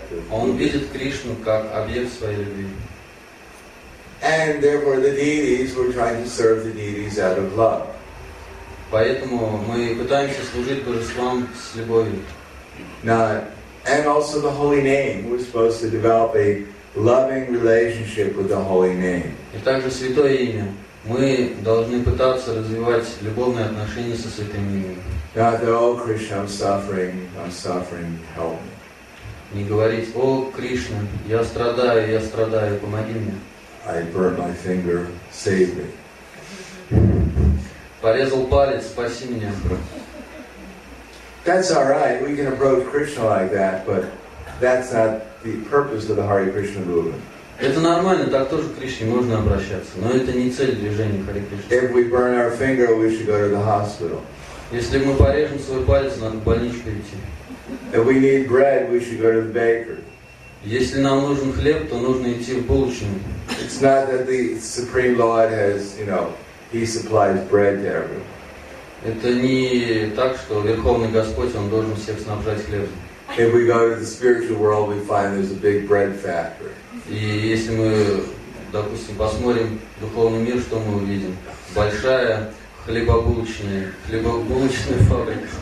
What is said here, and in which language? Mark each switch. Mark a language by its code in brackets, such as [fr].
[ru] Он видит Кришну как объект своей любви. [en] And therefore the deities were trying to serve the deities out of love. [ru] Поэтому мы пытаемся служить божествам с любовью. [en] Now, and also the holy name. We're supposed to develop a loving relationship with the holy name. [ru] И также святое имя. Мы должны пытаться развивать любовные отношения со святым именем. [en] Not that, oh Krishna, I'm suffering, help me. [ru] Не говорить, о Кришна, я страдаю, помоги мне. [en] I burnt my finger, save me. [ru] Порезал палец, спаси меня. [en] That's all right, we can approach Krishna like that, but that's not the purpose of the Hare Krishna movement. [ru] Это нормально, так тоже к Кришне можно обращаться, но это не цель движения Hare Krishna. [en] If we burn our finger, we should go to the hospital. [ru] Если мы порежем свой палец, надо в больничку идти. [en] If we need bread, we should go to the baker. [ru] Если нам нужен хлеб, то нужно идти в булочную. [en] It's not that the Supreme Lord has, you know, he supplies bread to everyone. [ru] Это не так, что Верховный Господь, он должен всех снабжать хлебом. [en] If we go to the spiritual world, we find there's a big bread factory. [ru] И если мы, допустим, посмотрим духовный мир, что мы увидим? Большая хлебобулочная фабрика.